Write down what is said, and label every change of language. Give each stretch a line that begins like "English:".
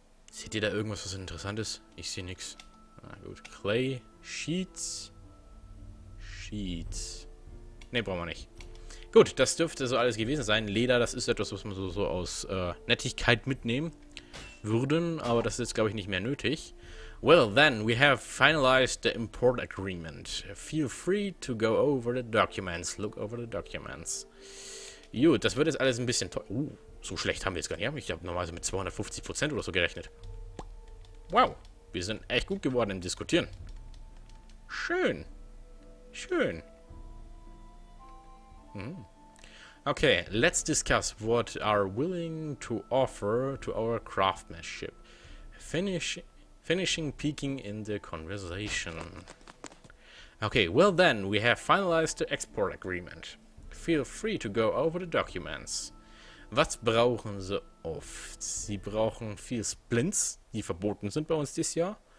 German: Seht ihr da irgendwas, was interessant ist? Ich sehe nichts. Na gut, Clay. Sheets. Sheets. Ne, brauchen wir nicht. Gut, das dürfte so alles gewesen sein. Leder, das ist etwas, was wir so aus Nettigkeit mitnehmen würden. Aber das ist jetzt, glaube ich, nicht mehr nötig.
English: Well then, we have finalized the import agreement. Feel free to go over the documents. Look over the documents.
German: Gut, das wird jetzt alles ein bisschen teuer. So schlecht haben wir jetzt gar nicht. Ich habe normalerweise mit 250% oder so gerechnet. Wow, wir sind echt gut geworden im Diskutieren. Schön. Schön.
English: Okay, let's discuss what are willing to offer to our craftsmanship. Finishing peeking in the conversation. Okay, well then, we have finalized the export agreement. Feel free to go over the documents.
German: Was brauchen sie oft? Sie brauchen viel Splints, die verboten sind bei uns dieses Jahr.